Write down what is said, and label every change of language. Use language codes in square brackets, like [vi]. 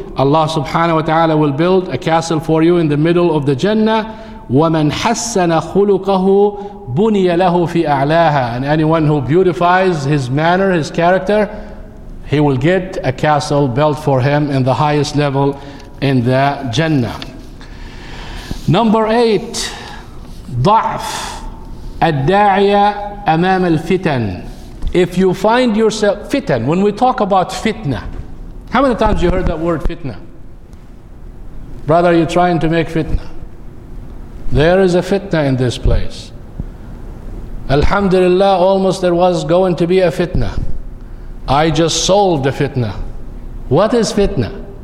[en] Allah subhanahu wa ta'ala will build a castle for you in the middle of the Jannah. [ar] وَمَنْ حَسَّنَ خُلُقَهُ بُنِيَ لَهُ فِي أَعْلَاهَا. [en] And anyone who beautifies his manner, his character, he will get a castle built for him in the highest level in the Jannah. Number 8, [ar] ضعف الداعية أمام الفتن. [en] If you find yourself fitan, when we talk about fitna, how many times you heard that word fitna? Brother, you're trying to make fitna. There is a fitna in this place. Alhamdulillah, almost there was going to be a fitna. I just solved the fitna. What is fitna?